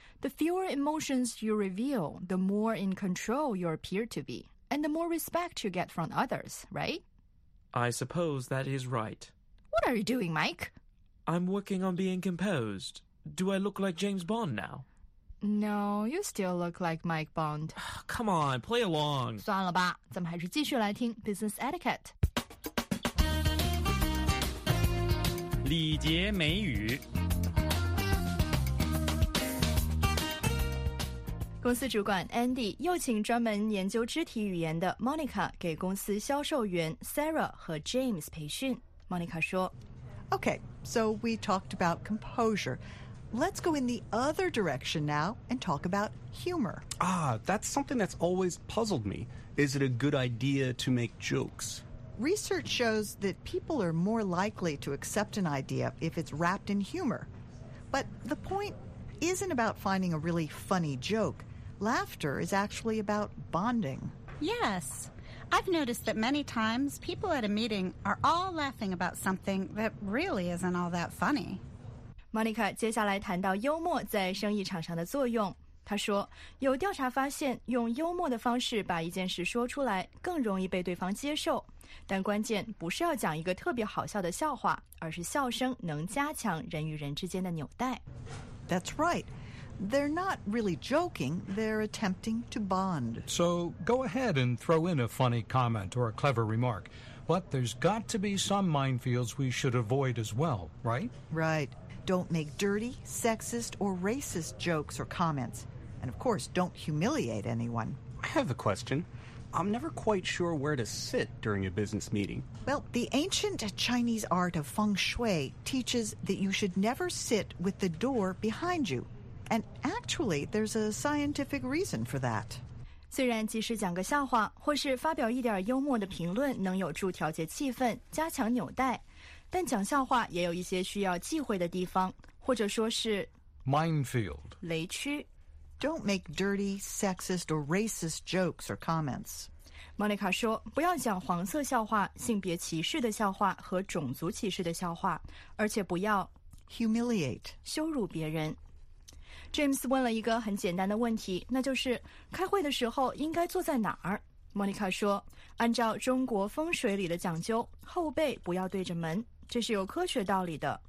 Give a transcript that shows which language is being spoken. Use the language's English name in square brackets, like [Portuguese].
[English] The fewer emotions you reveal, the more in control you appear to be, and the more respect you get from others, right? I suppose that is right. What are you doing, Mike? I'm working on being composed. Do I look like James Bond now? No, you still look like Mike Bond. Come on, play along. [Chinese] 算了吧，咱们还是继续来听 Business Etiquette。礼节美语。公司主管 Andy 又请专门研究肢体语言的 Monica 给公司销售员 Sarah 和 James 培训。 Monica 说 [English] Okay, so we talked about composure. Let's go in the other direction now and talk about humor. Ah, that's something that's always puzzled me. Is it a good idea to make jokes? Research shows that people are more likely to accept an idea if it's wrapped in humor. But the point isn't about finding a really funny joke. Laughter is actually about bonding. Yes. I've noticed that many times people at a meeting are all laughing about something that really isn't all that funny. [Chinese] Monica 接下来谈到幽默在生意场上的作用。她说，有调查发现，用幽默的方式把一件事说出来，更容易被对方接受。但关键不是要讲一个特别好笑的笑话，而是笑声能加强人与人之间的纽带。 [English] That's right. They're not really joking. They're attempting to bond. So go ahead and throw in a funny comment or a clever remark. But there's got to be some minefields we should avoid as well, right? Right. Don't make dirty, sexist, or racist jokes or comments. And of course, don't humiliate anyone. I have a question. I'm never quite sure where to sit during a business meeting. Well, the ancient Chinese art of feng shui teaches that you should never sit with the door behind you. And actually, there's a scientific reason for that. [Chinese] 虽然即使讲个笑话或是发表一点幽默的评论能有助调节气氛，加强纽带，但讲笑话也有一些需要忌讳的地方，或者说是 [English] minefield [Chinese] 雷区。 [English] Don't make dirty, sexist, or racist jokes or comments. [Chinese] Monica 说，不要讲黄色笑话、性别歧视的笑话和种族歧视的笑话，而且不要 [English] humiliate [Chinese] 羞辱别人。 James 问了一个很简单的问题，那就是开会的时候应该坐在哪儿？ Monica 说，按照中国风水里的讲究，后背不要对着门，这是有科学道理的。